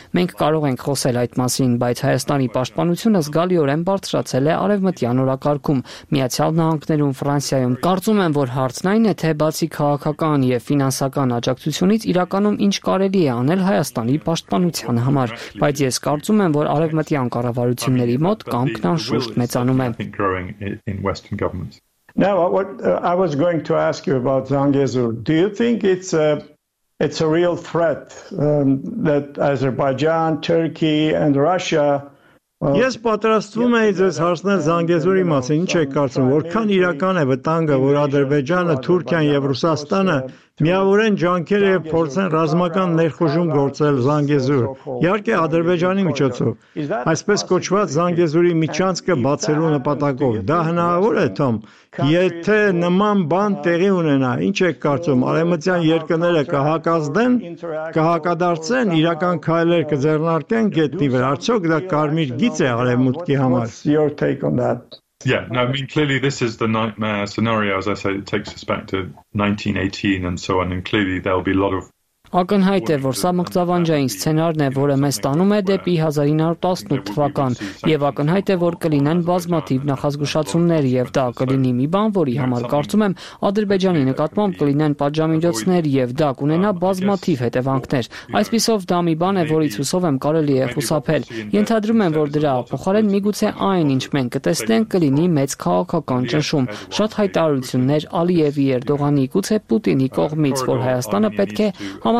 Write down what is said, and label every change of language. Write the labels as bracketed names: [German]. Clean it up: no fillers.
[Armenian] Մենք կարող ենք խոսել այդ մասին, բայց Հայաստանի պաշտպանությունը զգալիորեն բարձրացել է արևմտյան օրակարգում, Միացյալ Նահանգներում, Ֆրանսիայում։ Կարծում եմ, որ հարցն այն է, թե բացի քաղաքական եւ ֆինանսական աջակցությունից իրականում ինչ կարելի է անել Հայաստանի պաշտպանության համար, բայց ես կարծում եմ, որ արևմտյան կառավարությունների մոտ կամքն անշուշտ մեծանում է։ [English] Now what I was going to ask you about Zangezur, do you think it's a real threat that Azerbaijan, Turkey and Russia? [Armenian] Ես պատրաստվում եմ ձեզ հարցնել Զանգեզուրի մասին, ինչ եք կարծում, որքան իրական է վտանգը, որ Ադրբեջանը, Թուրքիան եւ Ռուսաստանը միավորեն ջանքերը եւ փորձեն ռազմական ներխուժում գործել Զանգեզուր, իհարկե Ադրբեջանի միջոցով, այսպես կոչված Զանգեզուրի միջանցքը բացելու նպատակով։ Դա հնարավոր է, Թոմ, եթե նման բան տեղի ունենա, ինչ եք կարծում, արևմտյան երկրները կհակազդեն, կհակադարձեն, իրական քայլեր կձեռնարկեն գետի վրա, արդյոք դա կարմիր գիծ է արևմուտքի համար։ [English] Yeah, no, I mean, clearly this is the nightmare scenario, as I said, it takes us back to 1918 and so on, and clearly there'll be a lot of [Armenian] Ակնհայտ է, որ սա մղձավանջային սցենարն է, որը մեզ տանում է դեպի 1918 թվական, եւ ակնհայտ է, որ կլինեն բազմաթիվ նախազգուշացումներ, եւ դա կլինի մի բան, որի համար կարծում եմ Ադրբեջանի նկատմամբ կլինեն պատժամիջոցներ, եւ դա կունենա բազմաթիվ հետևանքներ։ Այսպիսով դա մի բան է, որից հուսով եմ կարելի է խուսափել։ Ենթադրում եմ, որ դրա փոխարեն միգուցե այն, ինչ մենք կտեսնենք, կլինի մեծ քաղաքական ճնշում, շատ հայտարարություններ Ալիևի, Էրդողանի, գուցե Պուտինի կողմից, որ Հայաստանը պետք է համաձայնի